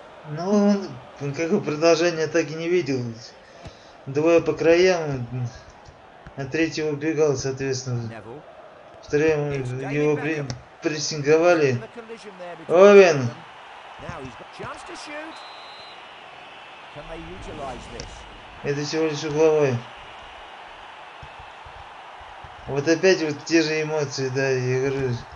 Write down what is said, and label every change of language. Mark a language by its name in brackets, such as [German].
[Russian] Ну, он как бы продолжение так и не видел. Двое по краям. А третий убегал, соответственно. Вторым его прессинговали. Овен. [English] Now he's got chance to shoot. [Russian] Это всего лишь угловой. Вот опять вот те же эмоции, да, я говорю.